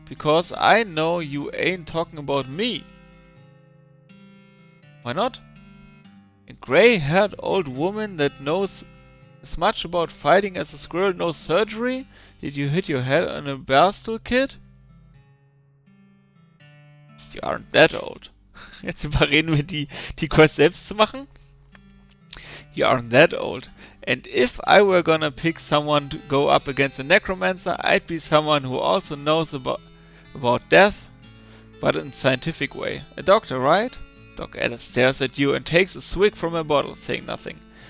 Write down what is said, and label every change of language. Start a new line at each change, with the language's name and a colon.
English: Because I know you ain't talking about me. Why not? A gray-haired old woman that knows as much about fighting as a squirrel knows surgery? Did you hit your head on a barstool, kid? You aren't that old.
German: Jetzt überreden wir die, die Quest selbst zu machen.
English: You aren't that old. And if I were gonna pick someone to go up against a necromancer, I'd be someone who also knows about death, but in a scientific way. A doctor, right? Doc Ellis stares at you and takes a swig from a bottle, saying nothing.